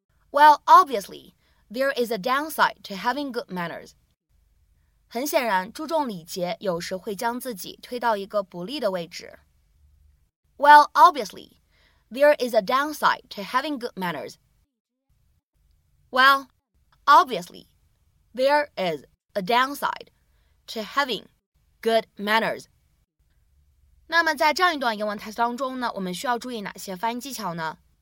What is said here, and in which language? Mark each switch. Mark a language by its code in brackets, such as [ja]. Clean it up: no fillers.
[en] Well, obviously, there is a downside to having good manners. [zh] 很显然，注重礼节有时会将自己推到一个不利的位置。 [en] Well, obviously, there is a downside to having good manners. Well, obviously, there is a downside to having good manners. [zh] 那么在这样一段英文台词当中呢，我们需要注意哪些发音技巧呢？